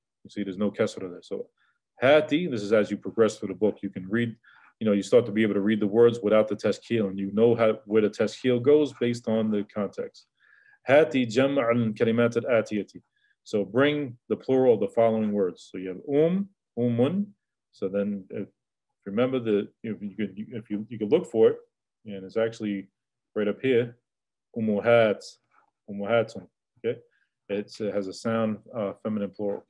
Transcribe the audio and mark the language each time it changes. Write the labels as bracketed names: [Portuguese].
[English] You see, there's no kasra there. So hati, this is as you progress through the book, you can read, you start to be able to read the words without the tashkil, and where the tashkil goes based on the context. [Arabic] هاتي جمع الكلمات الآتية. [English] So bring the plural of the following words. So you have أمٌ. So then remember that if you could look for it, and it's actually right up here, أمهات, أمهاتٌ. Okay, it has a sound feminine plural.